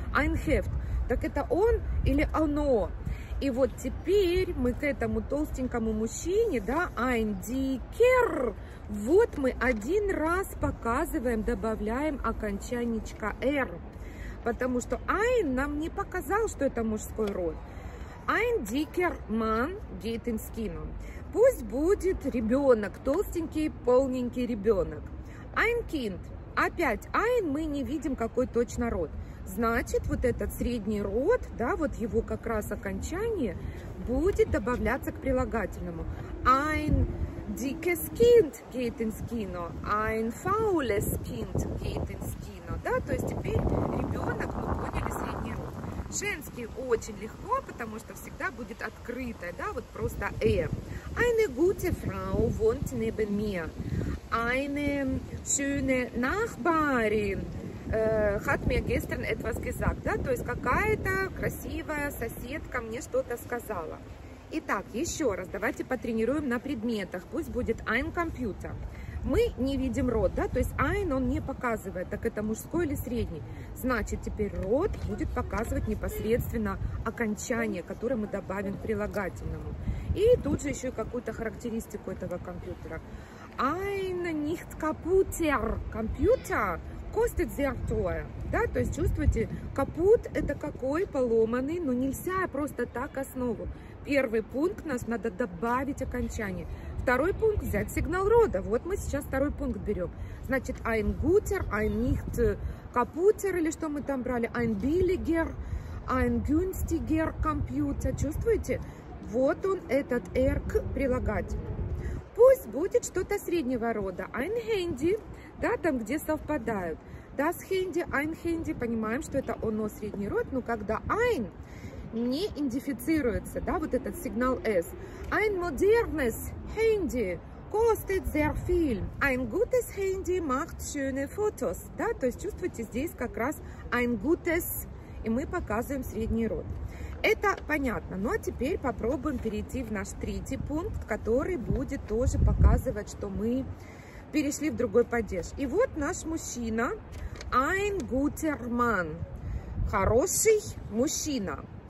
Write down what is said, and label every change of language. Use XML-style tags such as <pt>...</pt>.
<de>Ein Heft,</de> <ru>так это он или оно. И вот теперь мы к этому толстенькому мужчине, да,</ru> <de>ein dicker,</de> <ru>вот мы один раз показываем, добавляем окончанечко r, потому что ein нам не показал, что это мужской род.</ru> <de>Ein dicker Mann geht ins Kino.</de> <ru>Пусть будет ребенок, толстенький, полненький ребенок.</ru> <de>Ein Kind.</de> <ru>Опять ein, мы не видим, какой точно род. Значит, вот этот средний род, да, вот его как раз окончание, будет добавляться к прилагательному.</ru> <de>Ein dickes Kind geht ins Kino. Ein faules Kind geht ins Kino.</de> <ru>Да, то есть теперь ребенок, мы поняли, средний род. Женский очень легко, потому что всегда будет открытое, да, вот просто «э».</ru> <de>Eine gute Frau wohnt neben mir. Eine schöne Nachbarin hat mir gestern etwas gesagt.</de> <ru>Да, то есть какая-то красивая соседка мне что-то сказала. Итак, еще раз, давайте потренируем на предметах. Пусть будет</ru> <de>ein Computer.</de> <ru>Мы не видим род, да, то есть ein он не показывает, так это мужской или средний. Значит, теперь род будет показывать непосредственно окончание, которое мы добавим к прилагательному. И тут же еще и какую-то характеристику этого компьютера.</ru> <de>Ein nicht kaputter Computer kostet sehr teuer.</de> <ru>Да, то есть чувствуете, капут это какой, поломанный, но нельзя просто так основу. Первый пункт, нас надо добавить окончание. Второй пункт, взять сигнал рода. Вот мы сейчас второй пункт берем. Значит,</ru> <de>ein guter, ein nicht kaputter,</de> <ru>или что мы там брали,</ru> <de>ein billiger, ein günstiger computer.</de> <ru>Чувствуете? Вот он, этот R к прилагательному. Пусть будет что-то среднего рода.</ru> <de>Ein handy,</de> <ru>да, там, где совпадают.</ru> <de>Das Handy, ein Handy,</de> <ru>понимаем, что это оно, средний род, но когда ein не идентифицируется, да, вот этот сигнал S.</ru> <de>Ein modernes Handy kostet sehr viel. Ein gutes Handy macht schöne Fotos.</de> <ru>Да, то есть чувствуете, здесь как раз</ru> <de>ein gutes,</de> <ru>и мы показываем средний род. Это понятно. Ну а теперь попробуем перейти в наш третий пункт, который будет тоже показывать, что мы перешли в другой падеж. И вот наш мужчина,</ru> <de>ein guter Mann,</de> <ru>хороший мужчина.</ru>